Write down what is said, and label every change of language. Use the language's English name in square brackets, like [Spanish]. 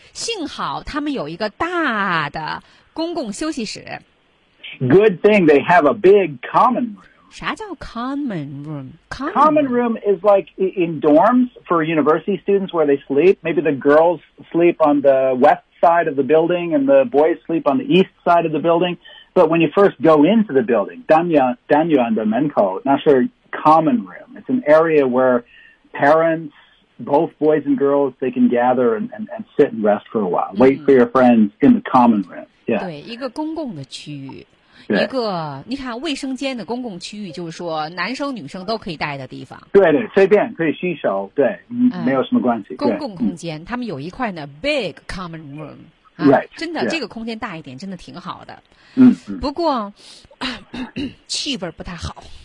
[Chinese] 幸好他们有一个大的公共休息室。 [English] Good thing they have a big common room. [Chinese] 啥叫 common room? [English] Common room is like in dorms for university students where they sleep. Maybe the girls sleep on the west side of the building and the boys sleep on the east side of the building. But when you first go into the building, [Chinese] 当你按的门口, [English] 那是 common room. It's an area where parents, both boys and girls, they can gather and sit and rest for a while. Mm-hmm. Wait for your friends in the common room. Yeah. [Chinese] 对，一个公共的区域，一个你看卫生间的公共区域，就是说男生女生都可以待的地方。对对，随便可以洗手，对，没有什么关系。公共空间，他们有一块呢 ， [English] big common room。 Right, [Chinese] 真的、这个空间大一点真的挺好的、不过气味不太好。